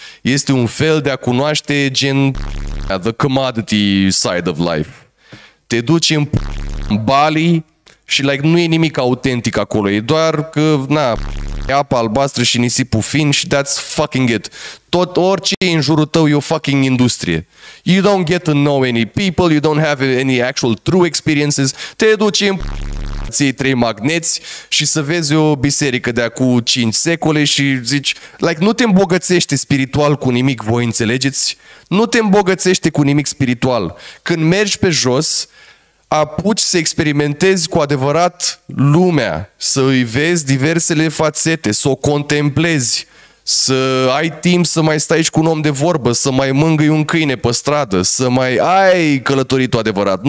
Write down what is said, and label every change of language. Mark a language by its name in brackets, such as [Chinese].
[Romanian] Este un fel de a cunoaște gen [English] the commodity side of life. [Romanian] Te duci în Bali și like, nu e nimic autentic acolo. E doar că na, apa albastră și nisipul fin și [English] that's fucking it. [Romanian] Tot orice e în jurul tău e o fucking industrie. [English] You don't get to know any people, you don't have any actual true experiences. [Romanian] Te duci în ții trei magneți și să vezi o biserică de acum 5 secole și zici, like, nu te îmbogățește spiritual cu nimic, voi înțelegeți? Nu te îmbogățește cu nimic spiritual. Când mergi pe jos, apuci să experimentezi cu adevărat lumea, să îi vezi diversele fațete, să o contemplezi, să ai timp să mai stai și cu un om de vorbă, să mai mângâi un câine pe stradă, să mai ai călătoritul adevărat.